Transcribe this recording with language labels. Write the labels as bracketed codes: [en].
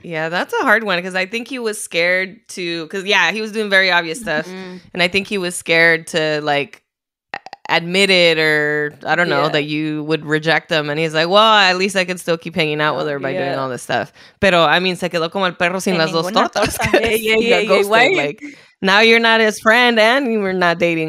[en] Yeah, that's a hard one because I think he was scared to he was doing very obvious stuff and I think he was scared to like admit it or I don't know that you would reject them, and he's like, well, at least I can still keep hanging out with her by doing all this stuff. [es] Pero [en] I mean, [es] se quedó como el perro sin las dos tortas. [en] Now you're not his friend and you were not dating